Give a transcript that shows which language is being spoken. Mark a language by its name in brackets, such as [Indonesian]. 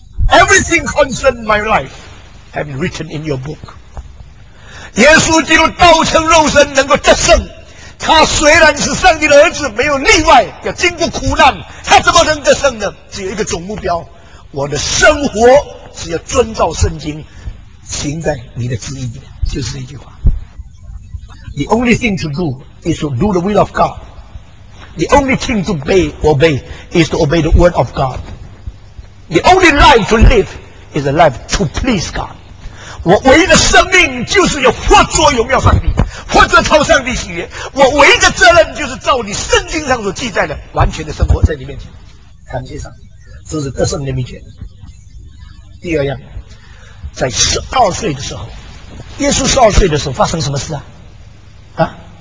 [English] Everything concerned my life have been written in your book. [Chinese] 耶稣基督道成肉身能够得胜，他虽然是上帝的儿子，没有例外，要经过苦难，他怎么能得胜呢？只有一个总目标，我的生活只要遵照圣经，行在你的旨意里，就是这句话。 [English] The only thing to do is to do the will of GodThe only thing to obey is to obey the word of God. The only life to live is a life to please God. [Chinese] 我唯一的生命就是要活作荣耀上帝，活作讨上帝喜悦。我唯一的责任就是照你圣经上所记载的，完全的生活在你面前。感谢上帝，这是得胜的秘诀。第二样，在十二岁的时候，耶稣十二岁的时候发生什么事啊？啊？